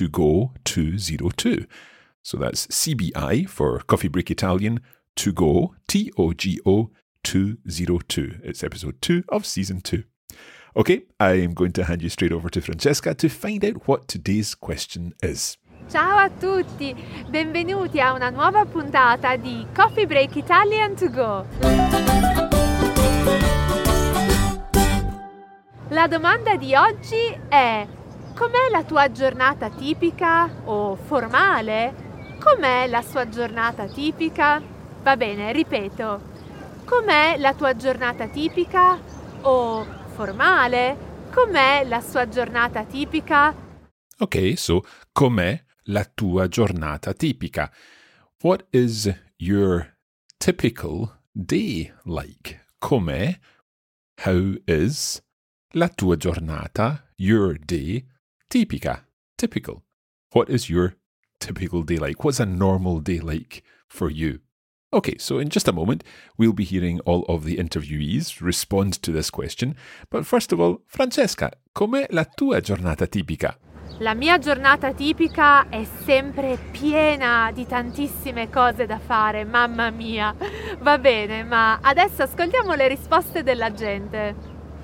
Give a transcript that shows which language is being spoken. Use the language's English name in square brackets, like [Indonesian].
[English] coffeebreaklink.com/CBI2Go202. So that's CBI for Coffee Break Italian, To Go, T-O-G-O, 202. It's episode 2 of season 2. Okay, I am going to hand you straight over to Francesca to find out what today's question is. [Italian] Ciao a tutti! Benvenuti a una nuova puntata di Coffee Break Italian To Go! La domanda di oggi è: com'è la tua giornata tipica o formale? Com'è la sua giornata tipica? Va bene, ripeto. Com'è la tua giornata tipica o formale? Com'è la sua giornata tipica? [English] Ok, so [Italian] com'è la tua giornata tipica? [English] What is your typical day like? [Italian] Com'è? [English] How is [Italian] la tua giornata, [English] your day, [Italian] tipica? [English] Typical. What is your typical day like? What's a normal day like for you? Okay, so in just a moment, we'll be hearing all of the interviewees respond to this question. But first of all, Francesca, [Italian] com'è la tua giornata tipica? La mia giornata tipica è sempre piena di tantissime cose da fare, mamma mia. Va bene, ma adesso ascoltiamo le risposte della gente.